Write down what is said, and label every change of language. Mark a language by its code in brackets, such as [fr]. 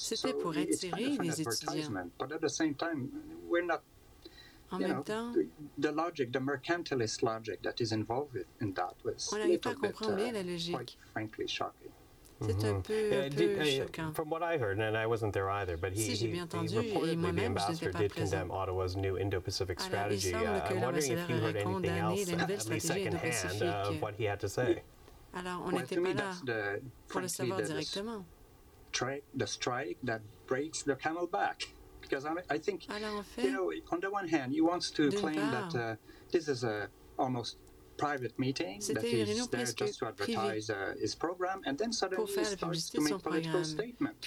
[en] So it's kind of an advertisement. But at the same time, we're not, you know, the logic, the mercantilist logic that is involved in that was a little bit, quite frankly, shocking. [fr] C'est un peu, choquant. [en] From what I heard, and I wasn't there either, but he reportedly, the ambassador, did condemn Ottawa's new Indo-Pacific strategy. I'm wondering if you heard anything else, at least secondhand, of what he had to say. [fr] Alors, on n'était pas là pour le savoir directement. [en] The strike that breaks the camel back. Because I think, on the one hand, he wants to claim that this is almost private meeting, that he's there just to advertise his program, and then suddenly he starts to make political statements.